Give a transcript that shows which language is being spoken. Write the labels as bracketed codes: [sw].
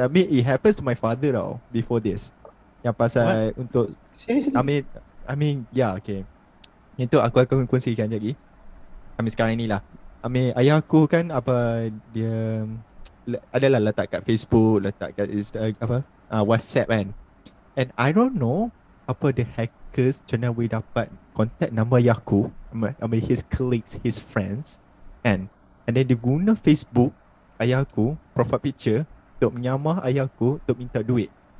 [en] I mean, it happens to my father tau before this. [ms] Yang pasal [en] what? [ms] Untuk [en] seriously? I mean, yeah, okay. [ms] Itu aku akan kongsikan lagi. Ambil sekarang ni lah. Ambil ayah aku kan apa dia adalah letak kat Facebook, letak kat WhatsApp kan. [en] And I don't know apa the hackers channel we dapat contact [ms] nama ayah aku, ambil [en] his colleagues, his friends. [ms] And then dia guna Facebook ayah aku, profile picture, untuk menyamah ayah aku untuk minta duit.